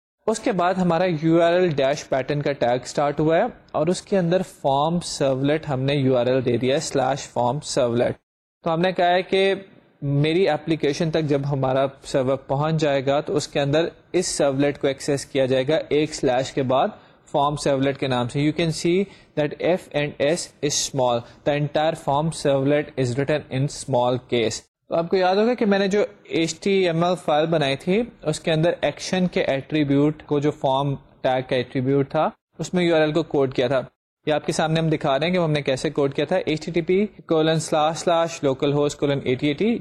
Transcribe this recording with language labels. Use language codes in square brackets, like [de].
[ur] اس کے بعد ہمارا you R L dash pattern کا ٹیگ اسٹارٹ ہوا ہے اور اس کے اندر فارم سرولیٹ ہم نے یو آر ایل دے دیا ہے سلیش فارم سرولیٹ. تو ہم نے کہا ہے کہ میری اپلیکیشن تک جب ہمارا سرور پہنچ جائے گا تو اس کے اندر اس سرولیٹ کو ایکسیس کیا جائے گا ایک سلیش کے بعد فارم سرولیٹ کے نام سے. [en] You can see that F and S is small, the entire form servlet is written in small case. [ur] تو آپ کو یاد ہوگا کہ میں نے جو H T M L file بنائی تھی اس کے اندر ایکشن کے ایٹریبیوٹ کو, جو فارم ٹیگ کا ایٹریبیوٹ تھا, اس میں یو آر ایل کو کوڈ کیا تھا. یہ آپ کے سامنے ہم دکھا رہے ہیں کہ ہم نے کیسے کوڈ کیا تھا, http://localhost:8080.